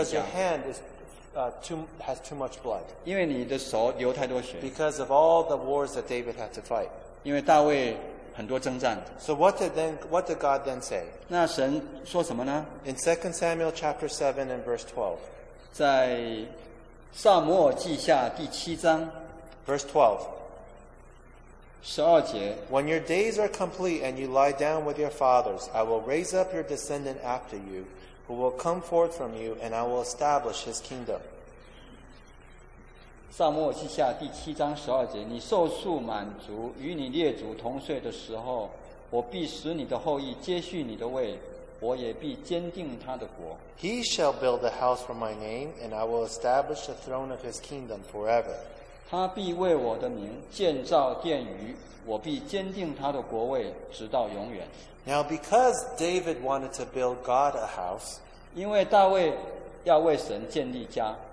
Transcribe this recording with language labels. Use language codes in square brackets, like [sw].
[en] Because your hand is has too much blood. [zh] 因为你的手流太多血。 [en] Because of all the wars that David had to fight. [zh] 因为大卫很多征战。 [en] So what did God then say? [zh] 那神说什么呢 [en] ？In 2 Samuel chapter 7 and verse 12. [zh] 在撒母耳记下第七章 [en] ，verse 12. [zh] 十二节。 [en] When your days are complete and you lie down with your fathers, I will raise up your descendant after you, who will come forth from you, and I will establish his kingdom. [zh] 撒母耳记下第七章十二节，你受数满足，与你列祖同岁的时候，我必使你的后裔接续你的位，我也必坚定他的国。 [en] He shall build a house for my name, and I will establish the throne of his kingdom forever. [zh] 他必为我的名建造殿宇，我必坚定他的国位直到永远。 [en] Now, because David wanted to build God a house, [zh] 因为大卫要为神建立家，